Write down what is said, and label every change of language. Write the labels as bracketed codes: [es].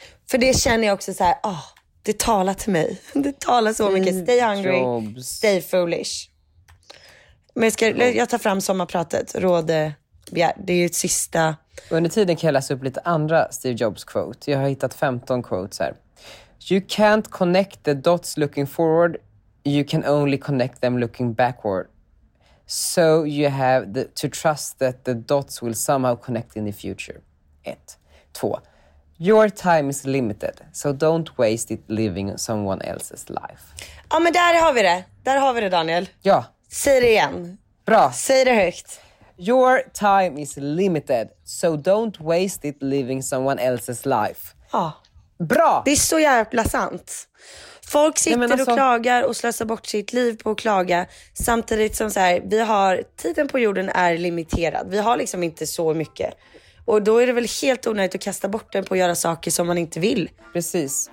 [sv] För det känner jag också så här, det talar till mig. Det talar så mycket. [en] Stay hungry, Jobs. Stay foolish. [sv] Men jag tar fram sommarpratet. Det är ju ett sista... Under tiden kan jag läsa upp lite andra Steve Jobs quote. Jag har hittat 15 quotes här. [en] You can't connect the dots looking forward. You can only connect them looking backward. So you have to trust that the dots will somehow connect in the future. 1. 2. Your time is limited. So don't waste it living someone else's life. [sv] Ja, men där har vi det. Där har vi det, Daniel. Ja. Säg det igen. Bra. Säg det högt. [en] Your time is limited, so don't waste it living someone else's life. [sv] Ja. Bra! Det är så jävla sant. Folk sitter och klagar och slösar bort sitt liv på att klaga. Samtidigt som så här, tiden på jorden är limiterad. Vi har liksom inte så mycket. Och då är det väl helt onödigt att kasta bort den på att göra saker som man inte vill. Precis.